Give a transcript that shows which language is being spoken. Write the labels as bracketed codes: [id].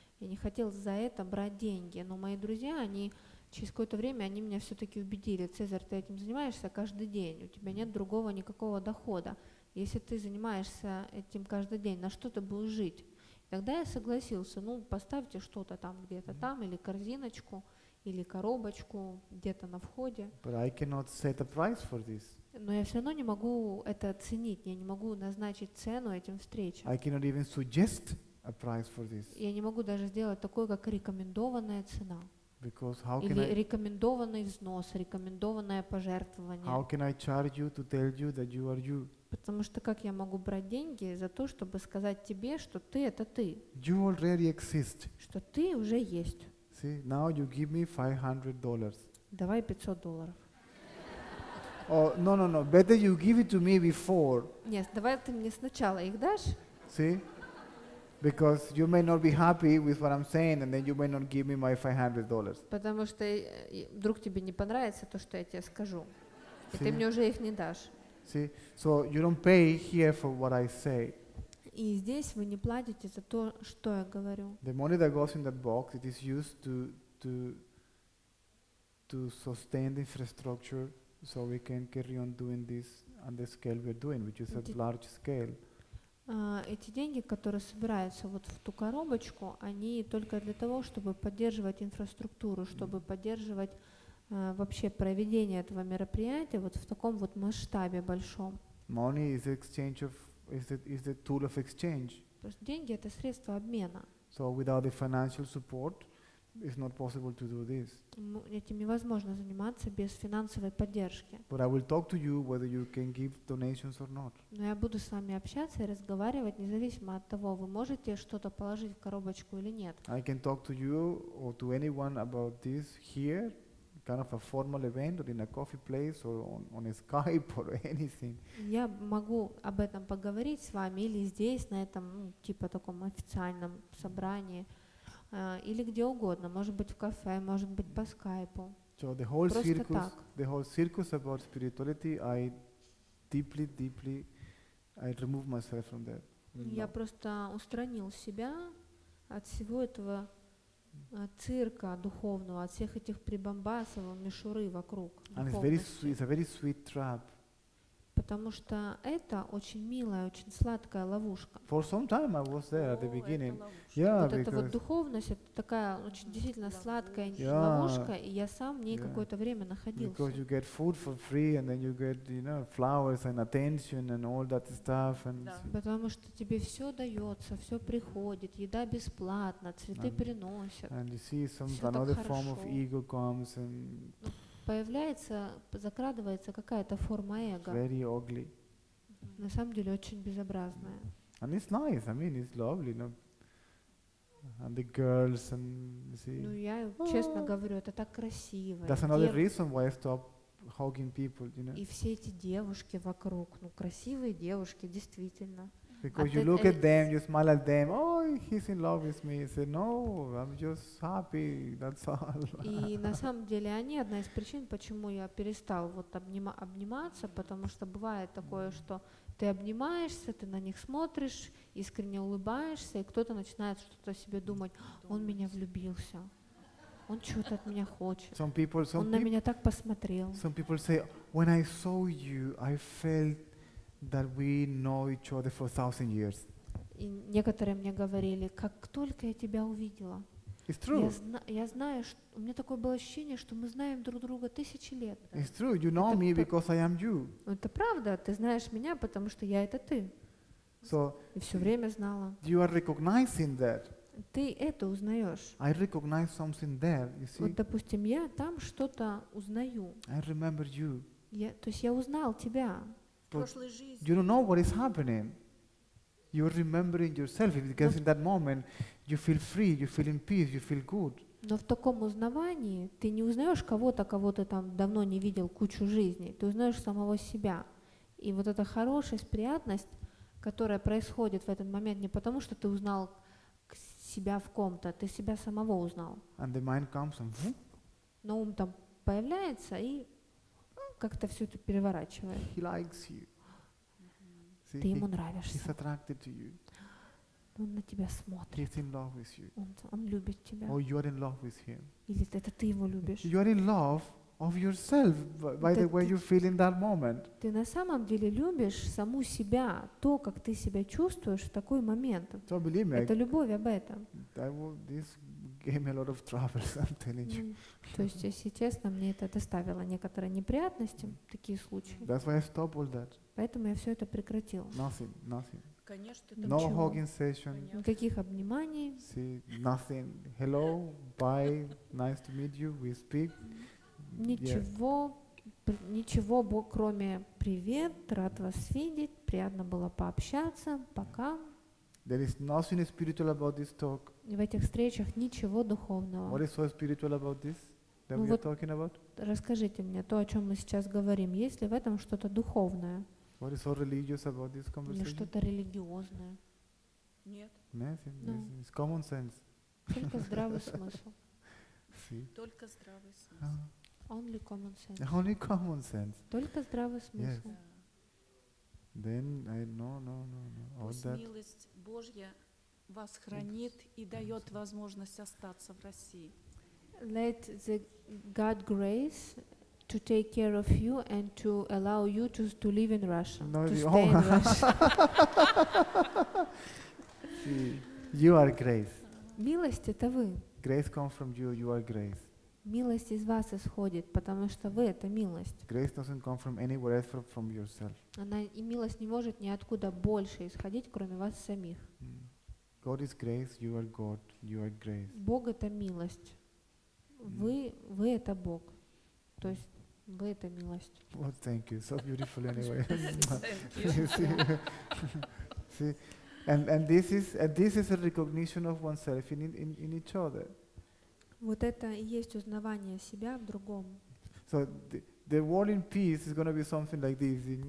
[ru] Я не хотел за это брать деньги. Но мои друзья, они через какое-то время, они меня все-таки убедили. Цезарь, ты этим занимаешься каждый день, у тебя нет другого никакого дохода. Если ты занимаешься этим каждый день, на что ты будешь жить? Тогда я согласился, ну, поставьте что-то там, где-то там, или корзиночку, или коробочку, где-то на входе. [en] But I cannot set a price for this. [ru] Но я все равно не могу это оценить, я не могу назначить цену этим встречам. [en] I cannot even suggest a price for this. [ru] Я не могу даже сделать такое, как рекомендованная цена. [en] Because how can [ru] или рекомендованный взнос, рекомендованное пожертвование. [en] How can I charge you to tell you that you are you? [ru] Потому что как я могу брать деньги за то, чтобы сказать тебе, что ты – это ты? [en] You already exist. [ru] Что ты уже есть. [en] See, now you give me $500. [ru] Давай $500. [en] No. Better you give it to me before. [ru] Нет, давай ты мне сначала их дашь. [en] See? Because you may not be happy with what I'm saying, and then you may not give me my $500. [ru] Потому что вдруг тебе не понравится то, что я тебе скажу. [en] See? [ru] И ты мне уже их не дашь. [en] See, so you don't pay here for what I say. [ru] И здесь вы не платите за то, что я говорю. [en] The money that goes in that box, it is used to sustain the infrastructure, so we can carry on doing this on the scale we're doing, which is a large scale. [ru] Эти деньги, которые собираются вот в ту коробочку, они только для того, чтобы поддерживать инфраструктуру, чтобы поддерживать вообще проведение этого мероприятия вот в таком вот масштабе большом. [en] Money is exchange of is the tool of exchange. [ru] Деньги это средство обмена. [en] So without the financial support, it's not possible to do this. [ru] Этим невозможно заниматься без финансовой поддержки. [en] But I will talk to you whether you can give donations or not. [ru] Но я буду с вами общаться и разговаривать, независимо от того, вы можете что-то положить в коробочку или нет. [en] I can talk to you or to anyone about this here. Kind of a formal event or in a coffee place or on a Skype or anything. [ru] Я могу об этом поговорить с вами или здесь, на этом, ну, типа таком официальном собрании. или где угодно, может быть в кафе, может быть по скайпу. [en] So the whole [ru] просто [en] circus, [ru] так. [en] The whole circus about spirituality, I deeply, deeply, I remove myself from that. [ru] Я просто устранил себя от всего этого цирка духовного, от всех этих прибамбасов, мишуры вокруг. [en] And it's a very sweet trap. [ru] Потому что это очень милая, очень сладкая ловушка. [en] For some time I was there at the beginning. [ru] Вот эта вот духовность, это такая очень действительно сладкая ловушка, и я сам в ней какое-то время находился. [en] Because you get food for free, and then you get, you know, flowers and attention and all that stuff. [ru] Потому что тебе все дается, все приходит, еда бесплатна, цветы приносят. [en] And you see some another form of ego comes and. [ru] Появляется, закрадывается какая-то форма эго. [en] Very ugly. [ru] На самом деле очень безобразная. [en] And it's nice, I mean, it's lovely, no? And the girls and see. [ru] Ну я честно говорю, это так красиво. [en] That's another reason why I stop hugging people, you know. [ru] И все эти девушки вокруг, ну красивые девушки, действительно. [en] Because you look at them, you smile at them. Oh, he's in love with me. Say no, I'm just happy. That's all. [ru] И на самом деле они одна из причин, почему я перестал вот обниматься, потому что бывает такое, что ты обнимаешься, ты на них смотришь, искренне улыбаешься, и кто-то начинает что-то о себе думать. Он меня влюбился. Он что-то от меня хочет. Он на меня так посмотрел. [en] Some people say, when I saw you, I felt that we know each other for 1,000 years. [ru] И некоторые мне говорили, как только я тебя увидела. [en] It's true. [ru] Я знаю, что у меня такое было ощущение, что мы знаем друг друга тысячи лет. [en] It's true. You know me because I am you. [ru] Это правда. Ты знаешь меня, потому что я это ты. [en] So. [ru] И все время знала. [en] You are recognizing that. [ru] Ты это узнаешь. [en] I recognize something there. You see. [ru] Вот, допустим, я там что-то узнаю. [en] I remember you. [ru] Я, то есть, я узнал тебя. [en] But you don't know what is happening. You're remembering yourself because in that moment you feel free, you feel in peace, you feel good. [ru] Но в таком узнавании ты не узнаешь кого-то, кого ты там давно не видел кучу жизней. Ты узнаешь самого себя. И вот эта хорошесть, приятность, которая происходит в этот момент, не потому что ты узнал себя в ком-то, ты себя самого узнал. [en] And the mind comes and. [ru] Но ум там появляется и как-то все это переворачивает. [en] He likes you. See, [ru] ты ему нравишься. [en] He's attracted to you. [ru] Он на тебя смотрит. [en] He's in love with you. [ru] Он любит тебя. [en] Or you're in love with him. [ru] Или это ты его любишь. [en] You're in love of yourself by the way you feel in that moment. [ru] Ты на самом деле любишь саму себя, то, как ты себя чувствуешь в такой момент. [en] So believe me, [ru] это любовь об этом. [en] Gave me a lot of troubles, I'm telling you. [ru] То есть, если честно, мне это доставило некоторые неприятности, такие случаи. [en] That's why I stopped all that. [ru] Поэтому я все это прекратил. [en] Nothing, nothing. [ru] Конечно, [en] no hugging session. [ru] Никаких обниманий. [en] See, nothing. Hello, bye, nice to meet you, we speak. [ru] Ничего, ничего, кроме привет, рад вас видеть, приятно было пообщаться, пока. [en] There is nothing spiritual about this talk. [ru] В этих встречах ничего духовного. [en] What is so spiritual about this that we are talking about? [ru] Расскажите мне то, о чем мы сейчас говорим. Есть ли в этом что-то духовное? [en] What is so religious about this conversation? [ru] Или что-то религиозное? Нет. [en] Nothing. No. It's common sense. [ru] Только здравый смысл. [en] See? [ru] Только здравый смысл. [en] Only common sense. Only common sense. [ru] Только здравый смысл. [en] Yes. Then I no. All that. [ru] Пусть милость Божья вас хранит и дает возможность остаться в России. [en] Let the God grace to take care of you and to allow you to live in Russia. No, to stay in Russia. You are grace. [ru] Милость — это вы. [en] Grace comes from you. You are grace. [ru] Милость из вас исходит, потому что вы — это милость. [en] Grace doesn't come from anywhere else from yourself. [ru] Она и милость не может ниоткуда больше исходить, кроме вас самих. [en] God is grace, you are God, you are grace. [ru] Бог — это милость. Вы это Бог. То есть вы — это милость. [en] Well, thank you. So beautiful anyway. Thank you. See? And this is a recognition of oneself in each other. [ru] Вот это и есть узнавание себя в другом. [en] So The word in peace is going to be something like this.